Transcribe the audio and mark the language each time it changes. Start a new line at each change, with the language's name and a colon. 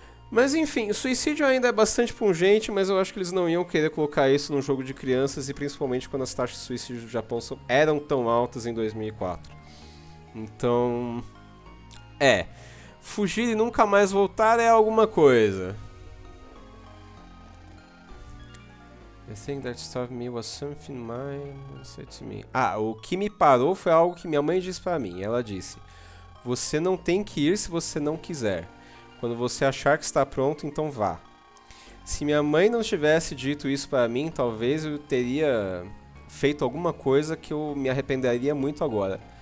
Portuguese: Mas enfim, suicídio ainda é bastante pungente, mas eu acho que eles não iam querer colocar isso num jogo de crianças, e principalmente quando as taxas de suicídio do Japão eram tão altas em 2004. Então... é, fugir e nunca mais voltar é alguma coisa.
English: The thing that stopped me was something my mom said to me.
Portuguese: Ah, o que me parou foi algo que minha mãe disse pra mim. Ela disse: você não tem que ir se você não quiser. Quando você achar que está pronto, então vá. Se minha mãe não tivesse dito isso pra mim, talvez eu teria feito alguma coisa que eu me arrependeria muito agora.